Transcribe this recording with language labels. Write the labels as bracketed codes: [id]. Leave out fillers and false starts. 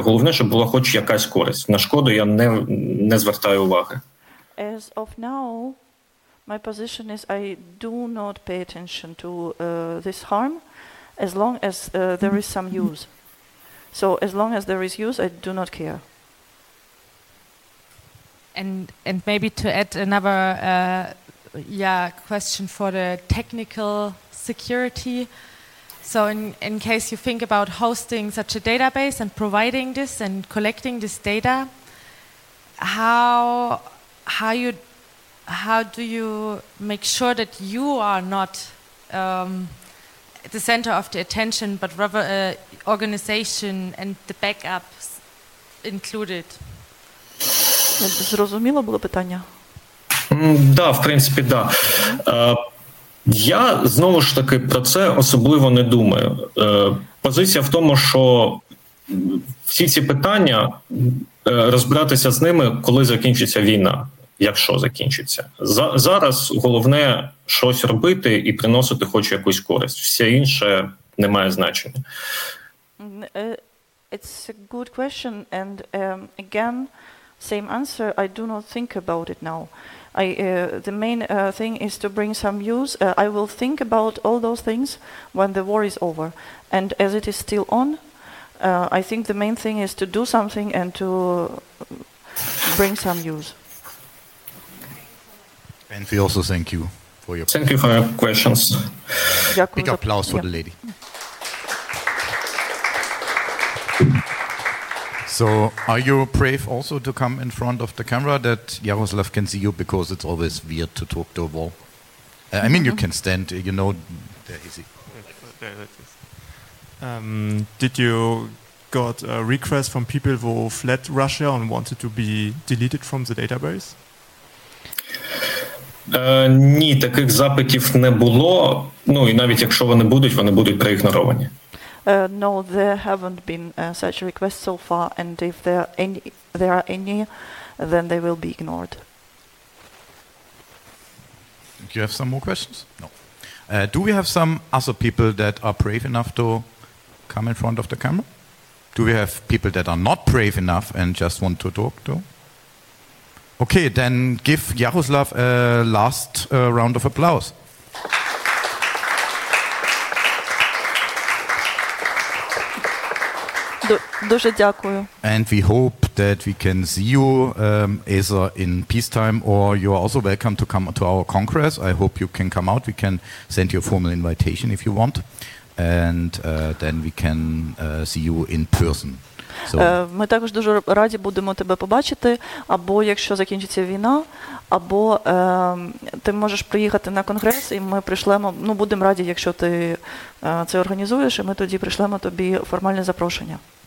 [uk] Головне, щоб була хоч якась користь. На шкоду я не звертаю уваги. [en] As of now, my position is I do not pay attention to this harm as long as there is some use. So as long as there is use, I do not care. And maybe to add another question for the technical security. So in case you think about hosting such a database and providing this and collecting this data, how do you make sure that you are not the center of the attention, but rather an organization and the backups included? [uk] Зрозуміло було питання? Да, в принципі, да. Я, знову ж таки, про це особливо не думаю. Позиція в тому, що всі ці питання, розбиратися з ними, коли закінчиться війна. Якщо закінчиться. Зараз головне щось робити і приносити хоч якусь користь. Все інше не має значення. [en] It's a good question, and again, same answer, I do not think about it now. The main thing is to bring some use. I will think about all those things when the war is over. And as it is still on, I think the main thing is to do something and to bring some use. And we also thank you for your thank questions. You for your questions. Big applause for the lady. So, are you brave also to come in front of the camera that Yaroslav can see you, because it's always weird to talk to a wall? I mean, you can stand, you know, there is he. Did you got a request from people who fled Russia and wanted to be deleted from the database? [uk] Ні, таких запитів не було. Ну, і навіть якщо вони будуть проігноровані. [en] No, there haven't been such requests so far, and if there are any, then they will be ignored. Do you have some more questions? No. Do we have some other people that are brave enough to come in front of the camera? Do we have people that are not brave enough and just want to talk to? Okay, then give Yaroslav a last round of applause. [uk] Дуже дякую. [en] And we hope that we can see you either in peacetime, or you are also welcome to come to our congress. I hope you can come out. We can send you a formal invitation if you want. And then we can see you in person. So. [uk] Ми також дуже раді будемо тебе побачити, або якщо закінчиться війна, або ти можеш приїхати на конгрес, і ми прийшлемо, ну, будемо раді, якщо ти це організуєш, і ми тоді прийшлемо тобі формальне запрошення.